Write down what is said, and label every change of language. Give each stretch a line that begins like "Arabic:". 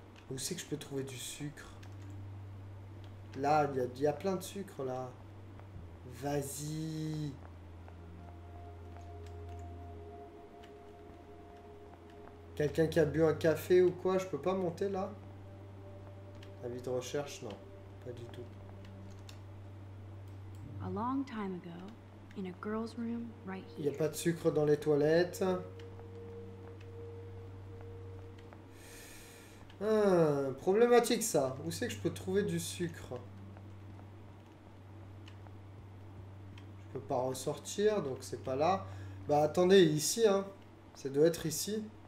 French: Où c'est que je peux trouver du sucre? Là, il y a plein de sucre, là. Vas-y. Quelqu'un qui a bu un café ou quoi, je peux pas monter là? Avis de recherche, non, pas du tout.
English: A long time ago, in a girl's room right here.
French: Il y a pas de sucre dans les toilettes. Ah, problématique ça. Où c'est que je peux trouver du sucre? Je peux pas ressortir, donc c'est pas là. Bah attendez, ici, hein. Ça doit être ici.